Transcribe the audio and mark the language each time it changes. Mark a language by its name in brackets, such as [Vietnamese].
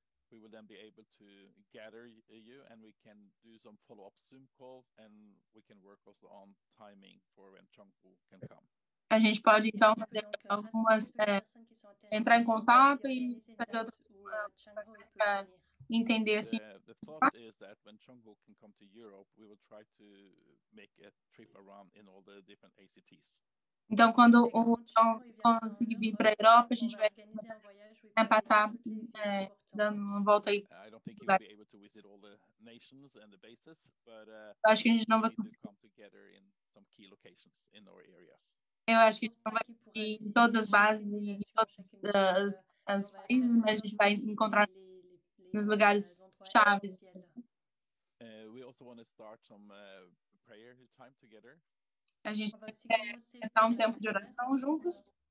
[English] We will then be able to gather you and we can do some follow-up Zoom calls and we can work also on timing for when Xiong-ho can come. [Portuguese] A gente pode, então, fazer algumas, entrar em contato e fazer outras coisas para entender, assim. [English] The thought is that when Xiong-ho can come to Europe, we will try to make a trip around in all the different ACTs. [Portuguese] Então, quando o Xiong-ho conseguir vir para a Europa, a gente vai passar dando uma volta aí. [English] I don't think he will be able to visit all the nations and the bases, but [Portuguese] acho que a gente não vai conseguir [English] come together in some key locations in our areas. [Portuguese] Eu acho que a gente vai em todas as bases e em todas as países, mas a gente vai encontrar nos lugares chaves. [English] We also want to start some prayer time together. [Portuguese] A gente quer passar um tempo de oração juntos.